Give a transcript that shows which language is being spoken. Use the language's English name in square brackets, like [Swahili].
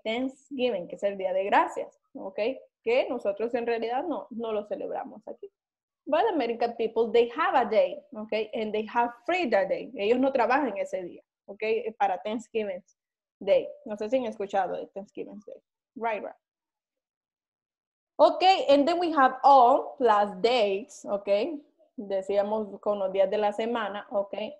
[Spanish] Thanksgiving, que es el Día de Gracias, okay? Que nosotros en realidad no lo celebramos aquí. [English] But American people, they have a day, okay? And they have free that day. [Spanish] Ellos no trabajan ese día, [English] okay? [Spanish] Para Thanksgiving Day. No sé si han escuchado de Thanksgiving Day. Right. [English] Okay, and then we have all plus dates, okay? [Spanish] Decíamos con los días de la semana, okay?